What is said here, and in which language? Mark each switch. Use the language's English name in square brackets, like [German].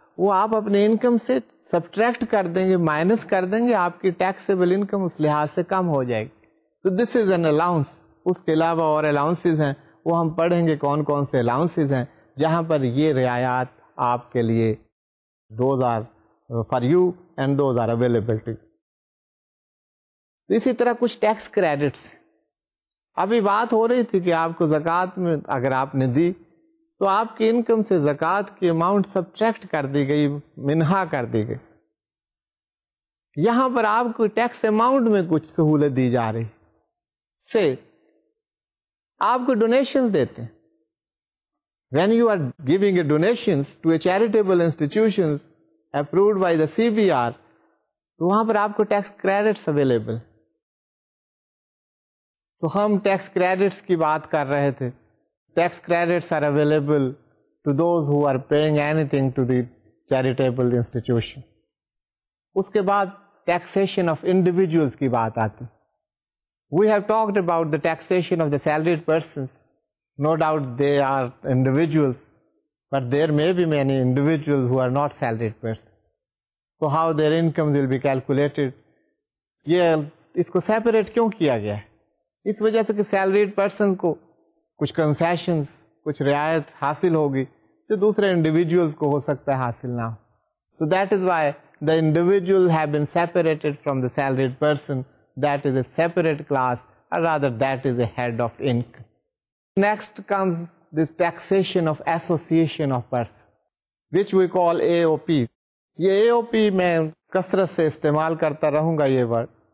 [Urdu] وہ آپ اپنے انکم سے سبٹریکٹ کر دیں گے, مائنس کر دیں گے, آپ کی ٹیکسیبل انکم اس لحاظ سے کم ہو جائے گی. تو [English] This is an allowance. [Urdu] اس کے علاوہ اور الاؤنسز ہیں, وہ ہم پڑھیں گے کون کون سے الاؤنسز ہیں جہاں پر یہ رعایات آپ کے لیے [English] Those are for you and those are availability. [Urdu] تو اسی طرح کچھ ٹیکس کریڈٹس. ابھی بات ہو رہی تھی کہ آپ کو زکوٰۃ میں اگر آپ نے دی تو آپ کی انکم سے زکوٰۃ کی اماؤنٹ سبٹریکٹ کر دی گئی, منہا کر دی گئی. یہاں پر آپ کو ٹیکس اماؤنٹ میں کچھ سہولت دی جا رہی سے آپ کو ڈونیشنز دیتے ہیں. [English] when you are giving a donations to a charitable institutions approved by the C B R, [Urdu] تو وہاں پر آپ کو [English] Tax credits available. [Urdu] تو ہم ٹیکس کریڈٹس کی بات کر رہے تھے. [English] Tax credits are available to those who are paying anything to the charitable institution. [Urdu] اس کے بعد ٹیکسیشن آف انڈیویجولس کی بات آتی. [English] We have talked about the taxation of the salaried persons. No doubt they are individuals, but there may be many individual who are not salaried person. So how their income will be calculated, [Urdu] یہ اس کو separate کیوں کیا گیا ہے؟ اس وجہ سے کہ salaried person کو کچھ کنسیشنز, کچھ رعایت حاصل ہوگی جو دوسرے انڈیویجولس کو ہو سکتا ہے حاصل نہ ہو. [English] So that is why the individual have been separated from the salaried person. That is a separate class, اور rather that is a head of income. Next comes this taxation of association of person, which we call A O P. [Urdu] یہ اے او پی میں کثرت سے استعمال کرتا رہوں گا یہ word.